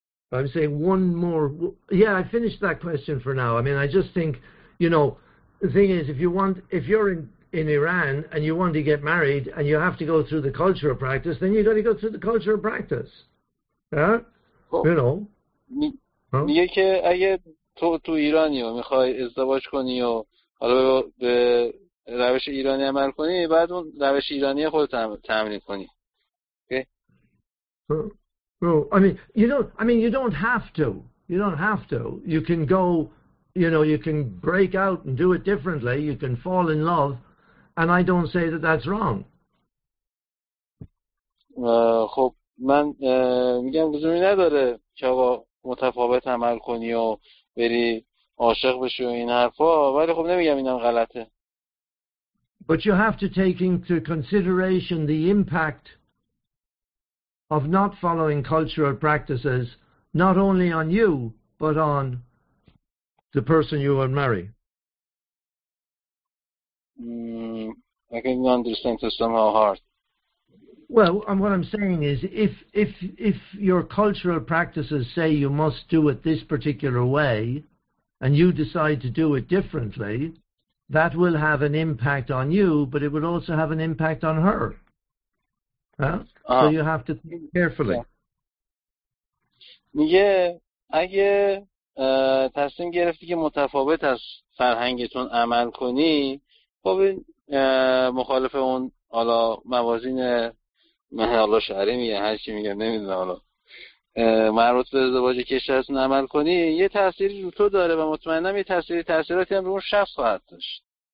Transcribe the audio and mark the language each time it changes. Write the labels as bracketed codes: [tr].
[en] I'm saying one more. Yeah, I finished that question for now. I mean, I just think, you know, the thing is, if you're in Iran and you want to get married and you have to go through the cultural practice, then you got to go through the cultural practice. Yeah? Well, you know. [fa] میگه که اگه تو ایرانی و میخوای ازدواج کنی و حالا به روش ایرانی عمل کنی، بعد اون روش ایرانی خودت تمرین کنی. [en] Okay. I mean, you don't have to. You don't have to. You can go, you know, you can break out and do it differently. You can fall in love, and I don't say that that's wrong. [fa] خب من میگم لزومی نداره که با متفاوت عمل کنی و بری عاشق بشی و این حرفا، ولی خب نمیگم اینم غلطه. [en] But you have to take into consideration the impact of not following cultural practices, not only on you, but on the person you will marry. I can understand this somehow hard. Well, and what I'm saying is, if your cultural practices say you must do it this particular way, and you decide to do it differently, that will have an impact on you, but it will also have an impact on her. So you have to think carefully. [fa] میگه اگه تصمیم گرفتی که متفاوت از فرهنگتون عمل کنی، خب این مخالف اون حالا موازین محلا شهری میگه، هرچی میگه نمیدونه حالا مربوط به ازدواج کشورتون عمل کنی، یه تأثیری رو تو داره و مطمئنم یه تأثیراتی هم رو اون شخص خواهد داشت.